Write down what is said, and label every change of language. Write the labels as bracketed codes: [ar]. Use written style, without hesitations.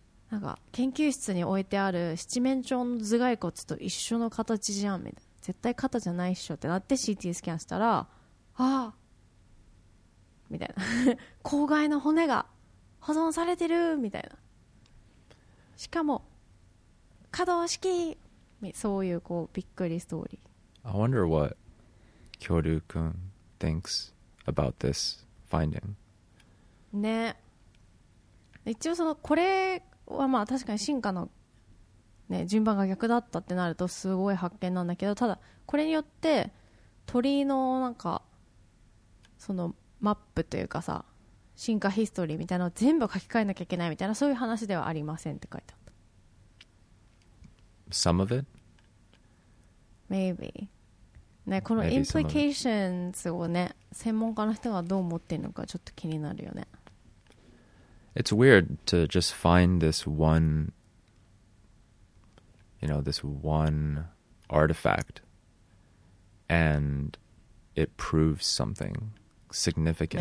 [ja] なんか研究室に置いてある七面鳥の頭蓋骨と一緒の形じゃんみたいな、絶対肩じゃないっしょってなって CT スキャンしたら、ああみたいな口蓋の骨が保存されてるみたいな、しかも可動式、そういうこうびっくりストーリー。 [en] I wonder what 恐竜くん thinks about this finding [ja] ね。一応そのこれはまあ確かに進化の、ね、順番が逆だったってなるとすごい発見なんだけど、ただこれによって鳥のなんかそのマップというかさ、進化ヒストリーみたいなのを全部書き換えなきゃいけないみたいな、そういう話ではありませんって書いてあった。 [en] Some of it? Maybe [ja] ね、このインプリケーションズをね、専門家の人がどう思ってるのかちょっと気になるよね。 [en] It's weird to just find this one, you know, this one artifact and it proves something significant.